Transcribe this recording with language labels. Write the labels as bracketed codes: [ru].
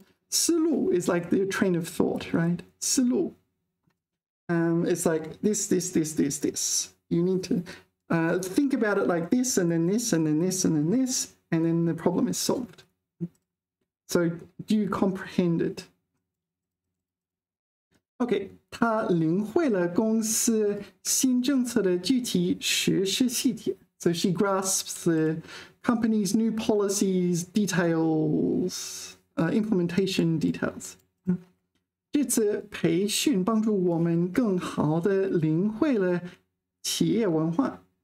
[en] 思路 is like the train of thought, right? 思路.It's like this. You need to think about it like this, and then this, and then this, and then this, and then the problem is solved. So do you comprehend it? [zh] Okay, 她领会了公司新政策的具体实施细节. [en] So she grasps the company's new policies details, implementation details. [zh] 这次培训帮助我们更好地领会了企业文化.